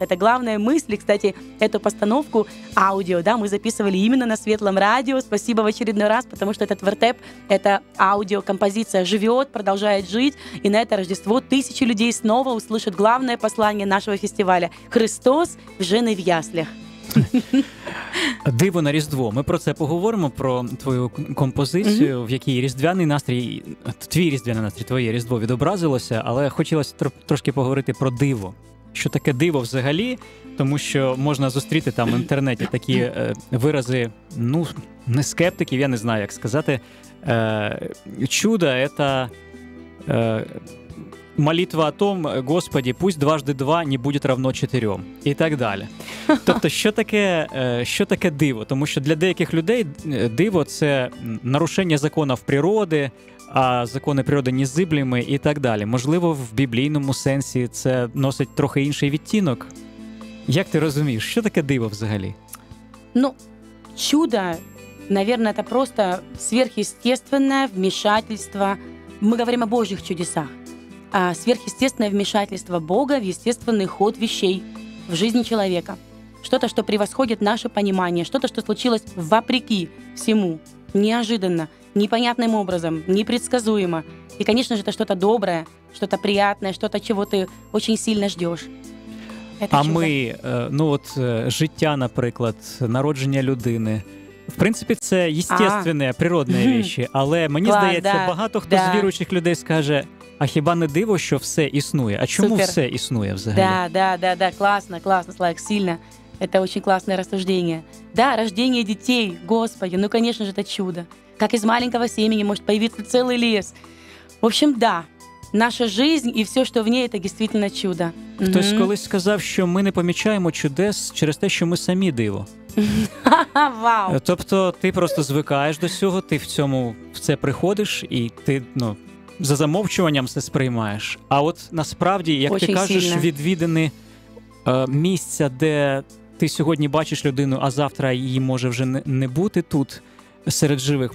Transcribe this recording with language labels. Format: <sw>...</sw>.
<ru>Это главная мысль, кстати, эту постановку аудио, да, мы записывали именно на Светлом радио. Спасибо в очередной раз, потому что этот вертеп, эта аудиокомпозиция живет, продолжает жить, и на это Рождество тысячи людей снова услышат главное послание нашего фестиваля:</ru> <uk>Христос вже не в яслях. Диво на Різдво. Ми про це поговоримо, про твою композицію, в якій різдвяний настрій, твій різдвяний настрій, твоє Різдво відобразилося, але хотілося трошки поговорити про диво. Що таке диво взагалі? Тому що можна зустріти там в інтернеті такі вирази, ну, не скептиків, я не знаю, як сказати.</uk> <ru>Чудо – це молитва о том, Господи, пусть дважды два не будет равно четырем.</ru> <uk>І так далі. Тобто, що таке диво? Тому що для деяких людей диво – це нарушення законів природи, а закони природи незиблими і так далі. Можливо, в біблійному сенсі це носить трохи інший відтінок. Як ти розумієш, що таке диво взагалі?</uk> <ru>Ну, чудо, наверное, это просто сверхъестественное вмешательство. Мы говорим о Божьих чудесах. А сверхъестественное вмешательство Бога в естественный ход вещей в жизни человека. Что-то, что превосходит наше понимание, что-то, что случилось вопреки всему, неожиданно, непонятным образом, непредсказуемо. И, конечно же, это что-то доброе, что-то приятное, что-то, чего ты очень сильно ждешь. Это чудо. Мы, ну вот,</ru> <uk>життя,</uk> <ru>например,</ru> <uk>народження людини. В принципі, це</uk> <ru>естественные, природные вещи.</ru> <uk>Але мені здається, багато хто з віруючих людей скаже: а хіба не диво, що все існує? А чому все існує взагалі?</uk> <ru>Да, класно, класно, Славик, сильно. Это очень классное рассуждение. Да, рождение детей, Господи, ну, конечно же, это чудо. Как из маленького семени может появиться целый лес. В общем, да, наша жизнь и все, что в ней, это действительно чудо.</ru> <uk>Хтось колись сказав, що ми не помічаємо чудес через те, що ми самі диво. Вау! Тобто ти просто звикаєш до цього, ти в це приходиш, і ти, ну, за замовчуванням все сприймаєш. А от насправді, як</uk> <ru>очень</ru> <uk>ти кажеш, відвідини місця, де ти сьогодні бачиш людину, а завтра її може вже не бути тут серед живих.</uk>